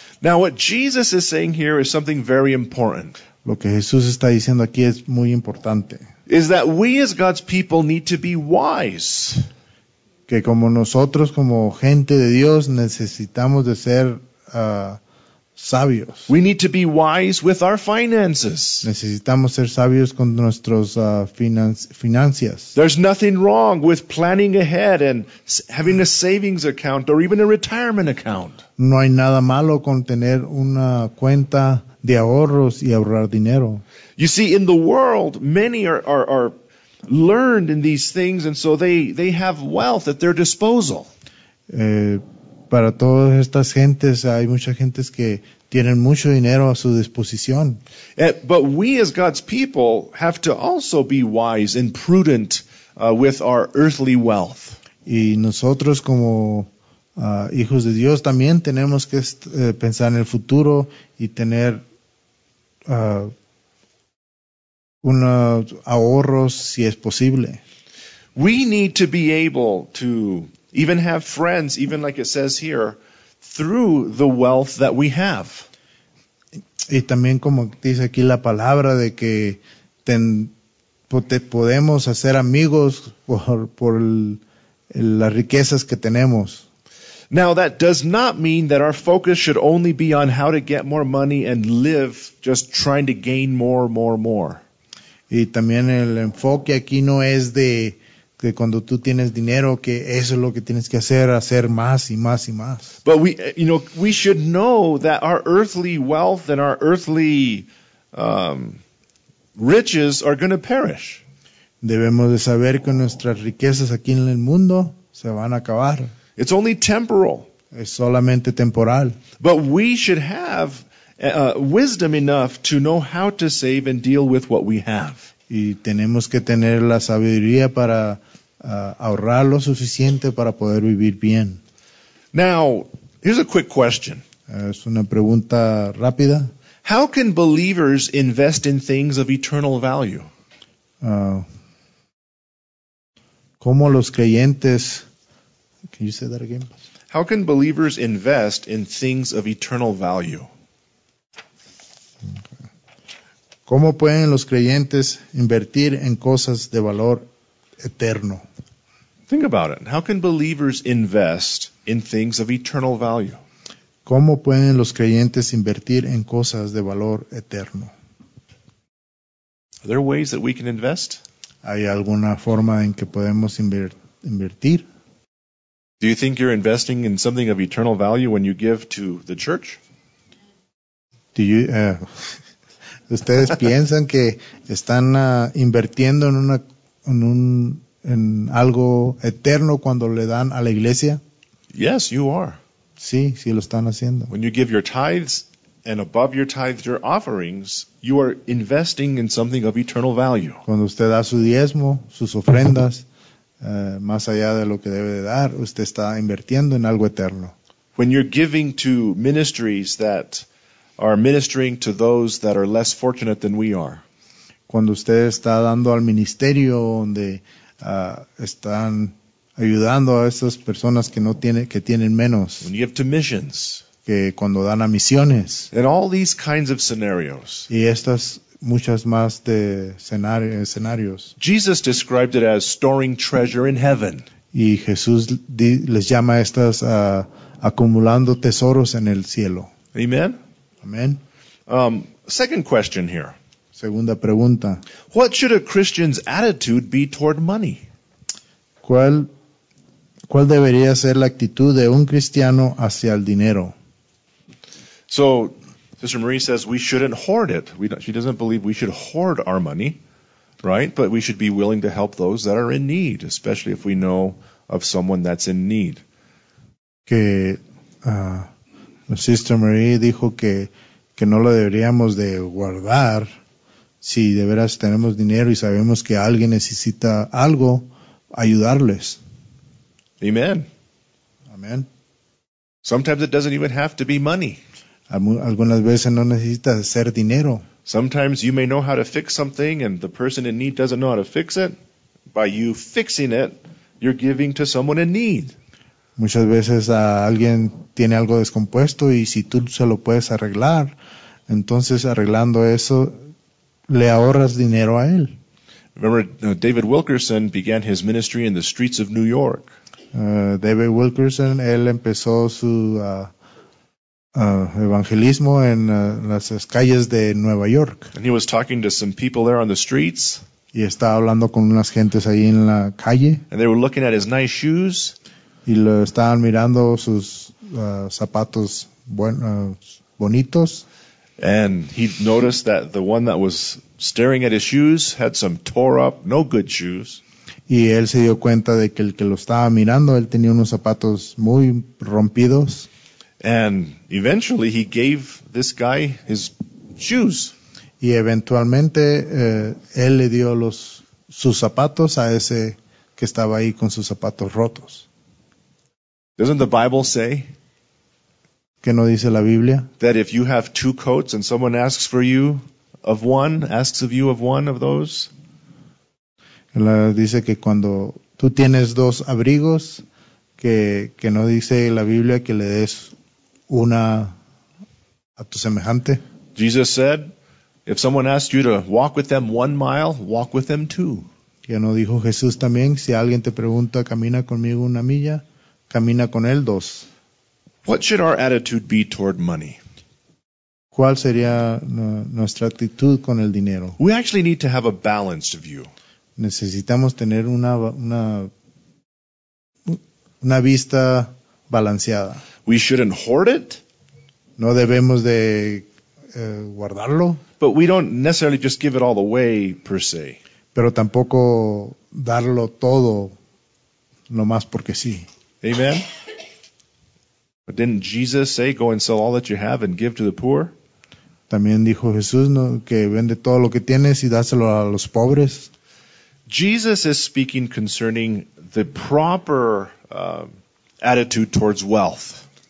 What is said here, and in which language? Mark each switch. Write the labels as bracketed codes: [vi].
[en] Now what Jesus is saying here is something very important. [es] Lo que Jesús está diciendo aquí es muy importante. [en] Is that we as God's people need to be wise. [es] Que como nosotros, como gente de Dios, necesitamos de ser sabios. [en] We need to be wise with our finances. [es] Necesitamos ser sabios con nuestros finanzas. [en] There's nothing wrong with planning ahead and having a savings account or even a retirement account. [es] No hay nada malo con tener una cuenta de ahorros y ahorrar dinero. [en] You see, in the world, many are learned in these things, and so they have wealth at their disposal. [es] Para todas estas gentes, hay muchas gentes que tienen mucho dinero a su disposición. [en] But we as God's people have to also be wise and prudent with our earthly wealth. [es] Y nosotros como hijos de Dios también tenemos que pensar en el futuro y tener unos ahorros si es posible. [en] We need to be able to even have friends, even like it says here, through the wealth that we have. [es] Y también como dice aquí la palabra de que podemos hacer amigos por las riquezas que tenemos. [en] Now that does not mean that our focus should only be on how to get more money and live just trying to gain more, more, more. [es] Y también el enfoque aquí no es de cuando tú tienes dinero, que eso es lo que tienes que hacer más y más y más. [en] But we should know that our earthly wealth and our earthly riches are going to perish. [es] Debemos de saber que nuestras riquezas aquí en el mundo se van a acabar. [en] It's only temporal. [es] Es solamente temporal. [en] But we should have wisdom enough to know how to save and deal with what we have. [es] Y tenemos que tener la sabiduría para ahorrar lo suficiente para poder vivir bien. [en] Now, here's a quick question. [es] Es una pregunta rápida. [en] How can believers invest in things of eternal value? [es] ¿Cómo los creyentes? [en] Can you say that again? How can believers invest in things of eternal value? [es] ¿Cómo pueden los creyentes invertir en cosas de valor eterno? [en] Think about it. How can believers invest in things of eternal value? [es] ¿Cómo pueden los creyentes invertir en cosas de valor eterno? [en] Are there ways that we can invest? [es] ¿Hay alguna forma en que podemos invertir? [en] Do you think you're investing in something of eternal value when you give to the church? [es] ¿Ustedes piensan que están invirtiendo en una en algo eterno cuando le dan a la iglesia? [en] Yes, you are. [es] Sí, sí lo están haciendo. [en] When you give your tithes and above your tithes your offerings, you are investing in something of eternal value. [es] Cuando usted da su diezmo, sus ofrendas, más allá de lo que debe de dar, usted está invirtiendo en algo eterno. [en] When you're giving to ministries that are ministering to those that are less fortunate than we are. [es] Cuando usted está dando al ministerio donde están ayudando a esas personas que no tienen, que tienen menos. [en] When you give to missions. [es] Que cuando dan a misiones. [en] And all these kinds of scenarios. [es] Y estas muchas más de escenarios. [en] Jesus described it as storing treasure in heaven. [es] Y Jesús les llama a estas acumulando tesoros en el cielo. [en] Amen. [es] Amen. [en] Second question here. [es] Segunda pregunta. [en] What should a Christian's attitude be toward money? [es] ¿Cuál debería ser la actitud de un cristiano hacia el dinero? [en] So, Sister Marie says we shouldn't hoard it. She doesn't believe we should hoard our money, right? But we should be willing to help those that are in need, especially if we know of someone that's in need. [es] Que Sister Marie dijo que no lo deberíamos de guardar. Si de veras tenemos dinero y sabemos que alguien necesita algo, ayudarles. [en] Amen. [es] Amen. [en] Sometimes it doesn't even have to be money. [es] Algunas veces no necesita ser dinero. [en] Sometimes you may know how to fix something and the person in need doesn't know how to fix it. By you fixing it, you're giving to someone in need. [es] Muchas veces alguien tiene algo descompuesto y si tú se lo puedes arreglar, entonces arreglando eso, le ahorras dinero a él. [en] Remember, David Wilkerson began his ministry in the streets of New York. [es] David Wilkerson, él empezó su evangelismo en las calles de Nueva York. [en] And he was talking to some people there on the streets. [es] Y estaba hablando con unas gentes ahí en la calle. [en] And they were looking at his nice shoes. [es] Y lo estaban mirando sus zapatos bonitos. [en] And he noticed that the one that was staring at his shoes had some tore up, no good shoes. [es] Y él se dio cuenta de que el que lo estaba mirando, él tenía unos zapatos muy rompidos. [en] And eventually he gave this guy his shoes. [es] Y eventualmente él le dio sus zapatos a ese que estaba ahí con sus zapatos rotos. [en] Doesn't the Bible say? [es] ¿Qué no dice la Biblia? [en] That if you have two coats and someone asks for you of one, asks of you of one of those. [es] La dice que cuando tú tienes dos abrigos, que no dice la Biblia que le des una a tu semejante. [en] Jesus said, if someone asks you to walk with them 1 mile, walk with them two. [es] Ya no dijo Jesús también, si alguien te pregunta, camina conmigo una milla. Camina con él dos. [en] What should our attitude be toward money? [es] ¿Cuál sería nuestra actitud con el dinero? [en] We actually need to have a balanced view. [es] Necesitamos tener una vista balanceada. [en] We shouldn't hoard it. [es] No debemos de guardarlo. [en] But we don't necessarily just give it all away per se. [es] Pero tampoco darlo todo nomás porque sí. [en] Amen. But didn't Jesus say, go and sell all that you have and give to the poor? [es] También dijo Jesús, ¿no?, que vende todo lo que tienes y dáselo a los pobres. [en] Jesus is speaking concerning the proper attitude towards wealth.